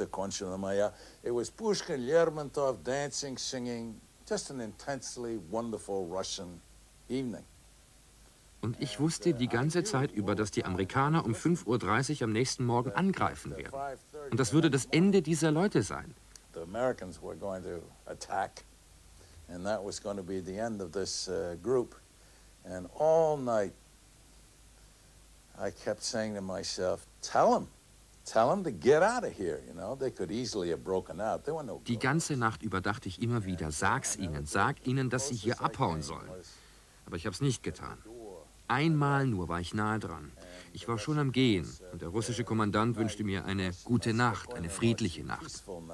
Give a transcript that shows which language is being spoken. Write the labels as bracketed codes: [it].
[en] It was Pushkin, Lermontov, dancing, singing, just an intensely wonderful Russian evening. [de] Und ich wusste die ganze Zeit über, dass die Amerikaner um 5.30 Uhr am nächsten Morgen angreifen werden. Und das würde das Ende dieser Leute sein. [en] The Americans were going to attack, and that was going to be the end of this group. And all night, I kept saying to myself, tell them to get out of here, you know, they could easily have broken out, there were no... [de] Die ganze Nacht über dachte ich immer wieder, sag ihnen, dass sie hier abhauen sollen. Aber ich habe es nicht getan. Einmal nur war ich nahe dran. Ich war schon am Gehen, und der russische Kommandant wünschte mir eine gute Nacht, eine friedliche Nacht.